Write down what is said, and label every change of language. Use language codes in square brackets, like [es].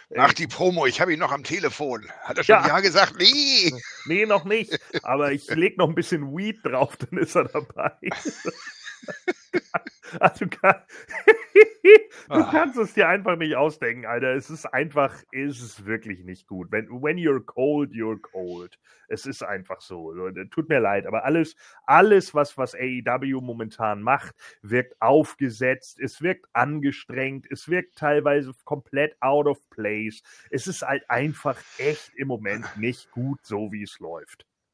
[de] Ach, die Promo, ich habe ihn noch am Telefon. Hat er schon ja gesagt? Nee! Nee, noch nicht. Aber ich lege noch ein bisschen Weed drauf, dann ist er dabei. Also, du kannst es dir einfach nicht ausdenken, Alter. Es ist einfach, es ist wirklich nicht gut. [en] When you're cold, you're cold. [de] Es ist einfach so. Tut mir leid, aber alles was AEW momentan macht, wirkt aufgesetzt, es wirkt angestrengt, es wirkt teilweise komplett [en] out of place. [de] Es ist halt einfach echt im Moment nicht gut, so wie es läuft.